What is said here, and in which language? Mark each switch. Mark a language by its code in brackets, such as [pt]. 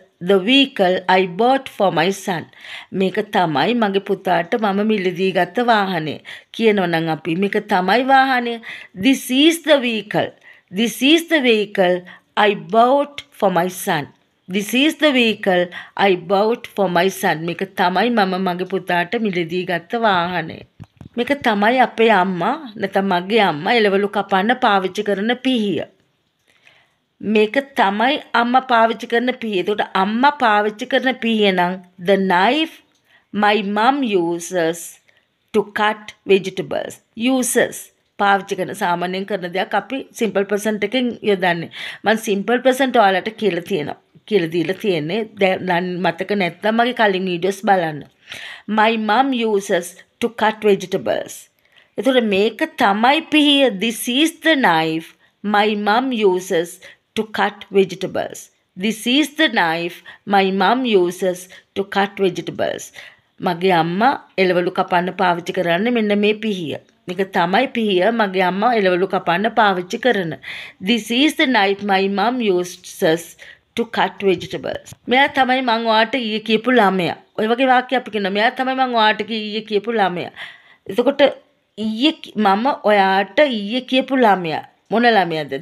[en] The vehicle I bought for my son. [si] මේක තමයි මගේ පුතාට මම මිලදී ගත්ත වාහනය. කියනවනම් අපි මේක තමයි වාහනය. [en] This is the vehicle. This is the vehicle I bought for my son. This is the vehicle I bought for my son. [si] මේක තමයි මම මගේ පුතාට මිලදී ගත්ත වාහනය. මේක තමයි අපේ අම්මා නැත්නම් මගේ අම්මා එළවලු කපන්න පාවිච්චි කරන පිහිය. මේක තමයි අම්මා පාවිච්චි කරන පිහිය. එතකොට අම්මා පාවිච්චි කරන පිහිය නම් [en] the knife my mom uses to cut vegetables. [si] uses පාවිච්චි කරන සාමාන්‍යයෙන් කරන දෙයක් අපි සිම්පල් ප්‍රසන්ට් එකෙන් යොදන්නේ. මම සිම්පල් ප්‍රසන්ට් ඔයාලට කියලා තියෙනවා. කියලා දීලා තියෙන්නේ. දැන් මතක නැත්නම් මගේ කලින් වීඩියෝස් බලන්න. [en] My mom uses to cut vegetables. [si] එතකොට මේක තමයි පිහිය. [en] This is the knife my mom uses to cut vegetables. This is the knife my mom uses to cut vegetables. [si] මගේ අම්මා එළවලු කපන්න පාවිච්චි කරන්නේ මෙන්න මේ පිහිය. මේක තමයි පිහිය මගේ අම්මා එළවලු කපන්න පාවිච්චි කරන. [en] This is the knife my mom uses to cut vegetables. [si] මෙයා තමයි මං ඔයාට ඊයේ කියපු ළමයා. ඔය වගේ වාක්‍ය අපි කියනවා. මෙයා තමයි මං ඔයාට ඊයේ කියපු ළමයා. එතකොට ඊයේ මම ඔයාට ඊයේ කියපු ළමයා. මොන ළමයාද?